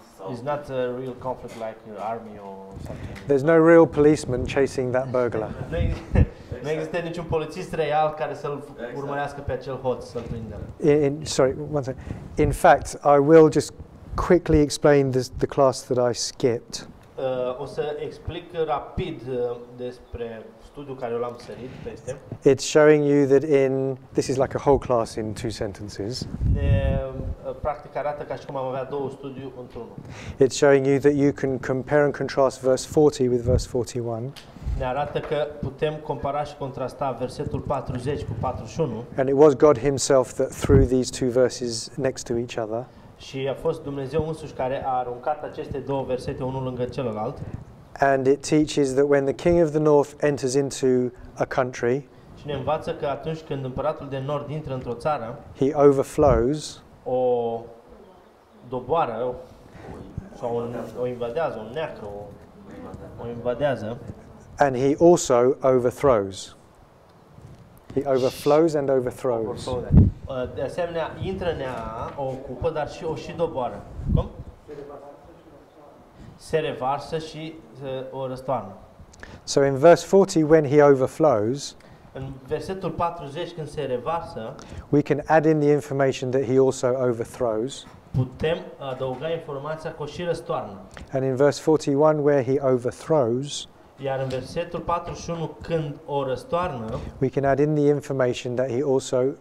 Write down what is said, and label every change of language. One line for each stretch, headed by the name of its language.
English: It's not a real conflict like your army or something. There's no real policeman chasing that burglar.
Romanian: Nu există niciun polițist real care să-l urmărească pe acel hoț, să-l prindă.
English: In fact, I will just quickly explain the class that I skipped.
Romanian: O să explic rapid despre studiul care eu l-am sărit peste.
English: It's showing you that in this is like a whole class in two sentences.
Romanian: Practic arată ca și cum am avea două studii într-unul.
English: It's showing you that you can compare and contrast verse 40 with verse 41.
Romanian: Ne arată că putem compara și contrasta versetul 40 cu 41.
English: And it was God himself that threw these two verses next to each other.
Romanian: Și a fost Dumnezeu însuși care a aruncat aceste două versete unul lângă celălalt.
English: And it teaches that when the king of the north enters into a country,
Romanian: și ne învață că atunci când împăratul de nord intră într-o țară,
English: he overflows,
Romanian: o doboară sau o invadează, o neacră, o invadează.
English: And he also overthrows. He overflows and overthrows.
Romanian: De asemenea, intră nea, o ocupă, dar și o și doboară. Cum? Se revarsă și o răstoarnă.
English: So in verse 40, when he overflows,
Romanian: în versetul 40, când se revarsă,
English: we can add in the information that he also overthrows.
Romanian: Putem adăuga informația că o și răstoarnă.
English: And in verse 41, where he overthrows,
Romanian: iar în versetul 41, când o răstoarnă,
English: we can add in the information that he also